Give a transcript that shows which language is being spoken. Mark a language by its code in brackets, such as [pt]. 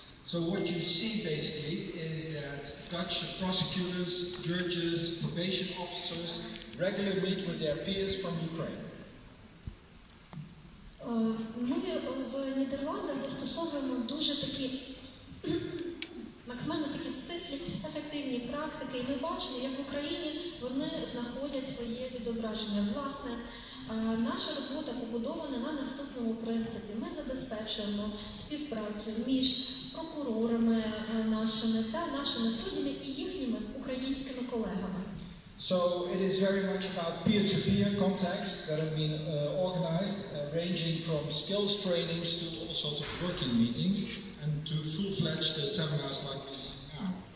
[en] So what you see basically is that Dutch prosecutors, judges, probation officers regularly meet with their peers from Ukraine. [uk] Ми в Нідерландах застосовуємо дуже такі максимально такі стислі ефективні практики, і ми бачимо, як в Україні вони знаходять своє відображення. Власне, наша робота побудована на наступному принципі. Ми забезпечуємо співпрацю між прокурорами нашими та нашими суддями і їхніми українськими колегами. [en] So it is very much about peer-to-peer contacts that have been organized, ranging from skills trainings to all sorts of working meetings and to full-fledged seminars like we see now.